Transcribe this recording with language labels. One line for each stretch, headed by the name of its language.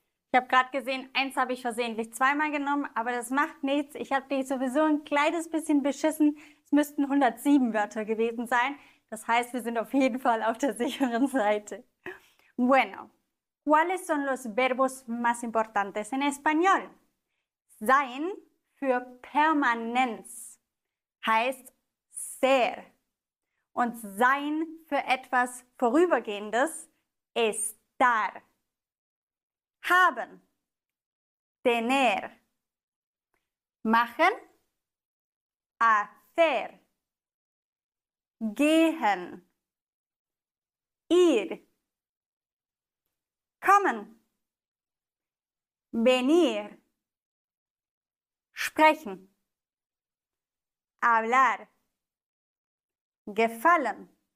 German: Ich habe gerade gesehen, eins habe ich versehentlich zweimal genommen, aber das macht nichts. Ich habe dich sowieso ein kleines bisschen beschissen. Es müssten 107 Wörter gewesen sein. Das heißt, wir sind auf jeden Fall auf der sicheren Seite.
Spanish: Bueno, ¿cuáles son los verbos más importantes en español?
German: Sein für Permanenz heißt ser. Und sein für etwas Vorübergehendes estar. Haben, tener, machen, hacer, gehen, ir, kommen, venir, sprechen, hablar, Gefallen.